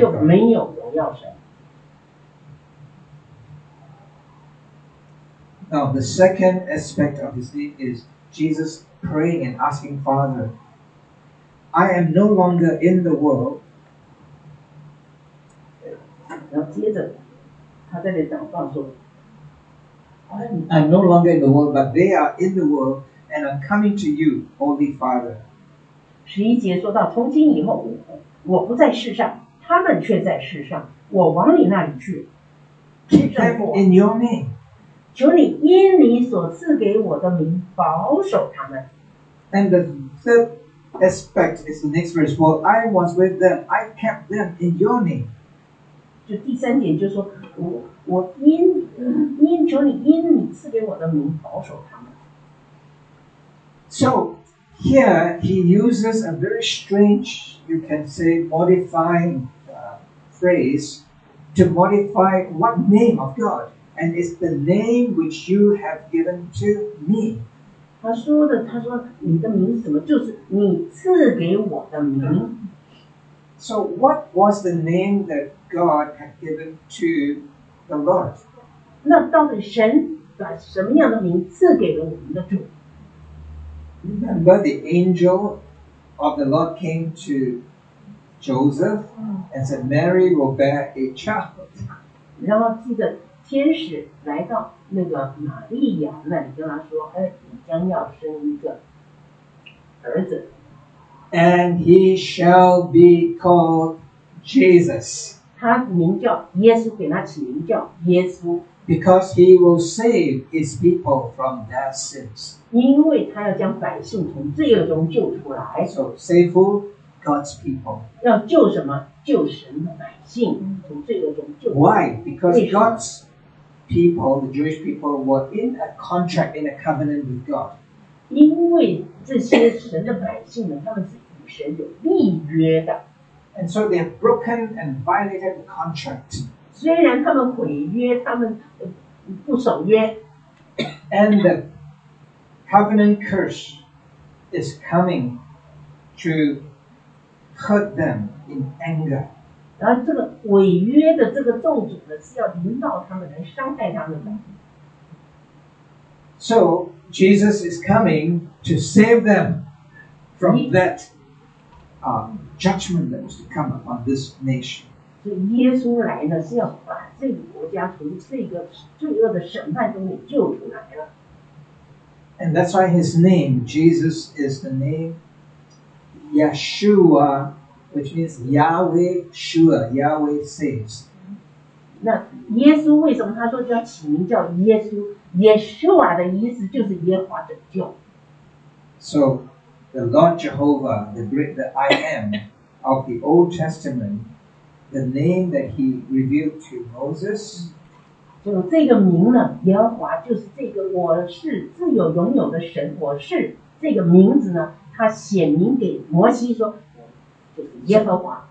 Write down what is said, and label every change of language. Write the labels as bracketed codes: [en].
[zh] 就没有荣耀神。 [en] Now the second aspect of his name is Jesus praying and asking Father, I am no longer in the world. [zh] 然后接着他在那祷告说 [en] I'm no longer in the world, but they are in the world, and I'm coming to you, Holy Father. [zh] 十一节说到从今以后我不在世上，他们却在世上，我往你那里去。 [en] In your name. [zh] 求你因你所赐给我的名保守他们。 [en] And the third aspect is the next verse, well, I was with them, I kept them in your name. [zh] 就第三点就是说 我因求你因你赐给我的名保守他们。 [en] So here he uses a very strange, you can say, modifying phrase to modify what name of God, and it's the name which you have given to me. [zh] 他说你的名什么，就是你赐给我的名。 [en] So what was the name that God had given to the Lord? [zh] 那到底神把什么样的名赐给了我们的主？ [en] Remember the angel of the Lord came to Joseph and said, Mary will bear a child. [zh] 然后记得天使来到那个玛利亚那里跟他说，你将要生一个儿子。 [en] And he shall be called Jesus. [zh] 他名叫耶稣，给他起名叫耶稣。 [en] Because he will save his people from their sins. [zh] 因为他要将百姓从罪恶中救出来。 [en] So save who? God's people. [zh] 要救什么？救神的百姓从罪恶中救出来。 [en] Why? Because God's people, the Jewish people, were in a contract, in a covenant with God. [zh] 因为这些神的百姓呢，他们是与神有立约的。 [en] And so they have broken and violated the contract. [zh] 虽然他们毁约，他们不守约。 [en] And the covenant curse is coming to hurt them in anger. [zh] 然后这个毁约的这个咒诅呢，是要临到他们，来伤害他们的。 [en] So. Jesus is coming to save them from that judgment that was to come upon this nation. [zh] 耶稣来呢，是要把这个国家从这个罪恶的审判中给救出来了。 [en] And that's why his name, Jesus, is the name Yeshua, which means Yahweh Shua, Yahweh saves. [zh] 那耶稣为什么他说就要起名叫耶稣？耶稣啊的意思就是耶和华拯救。 [en] So the Lord Jehovah, the great, the I Am of the Old Testament, the name that he revealed to Moses, [zh] 这个名呢, 耶和华就是这个我是自有拥有的神, 我是这个名字呢, 他显明给摩西说, 就是耶和华,